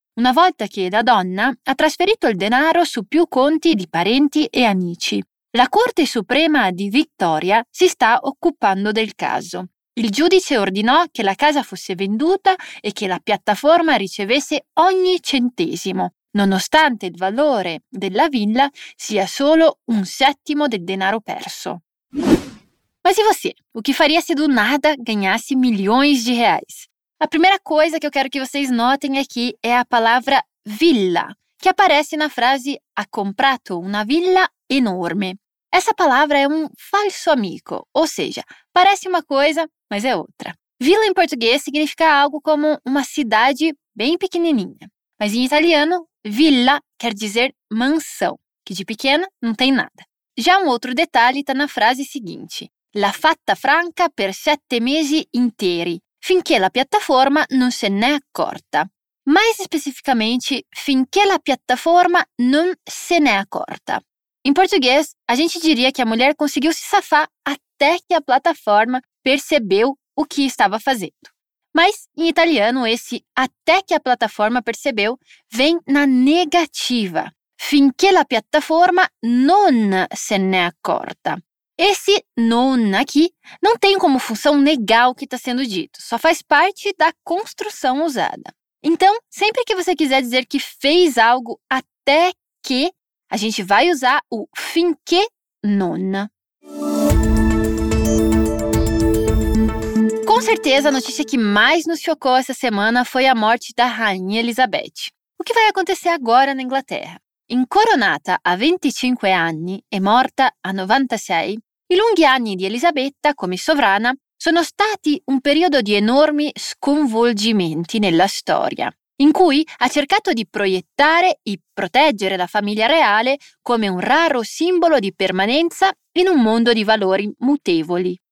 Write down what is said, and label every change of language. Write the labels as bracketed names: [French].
[Italian] Una volta che la donna ha trasferito il denaro su più conti di parenti e amici, la Corte Suprema di Victoria si sta occupando del caso. Il giudice ordinò che la casa fosse venduta e che la piattaforma ricevesse ogni centesimo, nonostante il valore della villa sia solo un settimo del denaro perso. [Portuguese] Ma se você, o que faria se do nada ganhasse milhões de reais? A primeira coisa que eu quero que vocês notem aqui é a palavra villa, que aparece na frase [Italian] ha comprato una villa enorme. [Portuguese] Essa palavra é um falso amigo, ou seja, parece uma coisa, mas é outra. Villa em português significa algo como uma cidade bem pequenininha. Mas em italiano, villa quer dizer mansão, que de pequena não tem nada. Já um outro detalhe está na frase seguinte. [Italian] L'ha fatta franca per 7 mesi interi, finché la piattaforma non se n'è accorta. [Portuguese] Mais especificamente, [Italian] finché la piattaforma non se n'è accorta. [Portuguese] Em português, a gente diria que a mulher conseguiu se safar até que a plataforma percebeu o que estava fazendo. Mas, em italiano, esse até que a plataforma percebeu vem na negativa. [Italian] Finché la piattaforma non se n'è accorta. [Portuguese] Esse non aqui não tem como função negar o que está sendo dito, só faz parte da construção usada. Então, sempre que você quiser dizer que fez algo até que, a gente vai usar o finché non. Com certeza, a notícia que mais nos chocou essa semana foi a morte da Rainha Elizabeth. O que vai acontecer agora na Inglaterra? [Italian] Incoronata a 25 anni e morta a 96, i lunghi anni di Elisabetta come sovrana sono stati un periodo di enormi sconvolgimenti nella storia, in cui ha cercato di proiettare e proteggere la famiglia reale come un raro simbolo di permanenza in un mondo di valori mutevoli.